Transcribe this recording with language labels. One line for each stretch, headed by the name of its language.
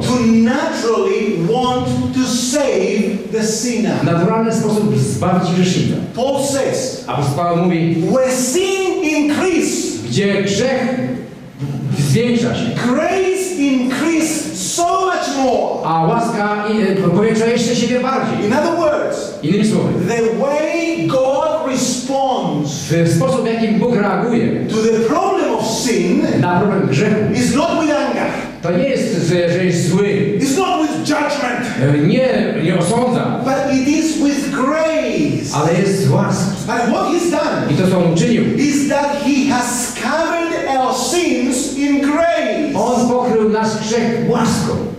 English: to naturally want to save the sinner.
Polish: W naturalny sposób zbawić grzesznika.
English: Paul says.
Polish: Apostoł Paweł mówi.
English: Where sin increases.
Polish: Gdzie grzech zwiększa się.
English: Grace increases so much more.
Polish: A łaska powiększa jeszcze siebie bardziej.
English: In other words.
Polish: Innymi słowy.
English: The way God responds.
Polish: W sposób, w jakim Bóg reaguje.
English: To the problem of sin.
Polish: Na problem grzechu.
English: Is not with anger.
Polish: To nie jest, że jest zły.
English: It's not with judgment.
Polish: Nie, nie osądza.
English: But it is with grace.
Polish: Ale jest z łaski.
English: But what he's done?
Polish: I to, co on uczynił?
English: Is that he has covered our sins in grace.
Polish: On pokrył nasz grzech łaską.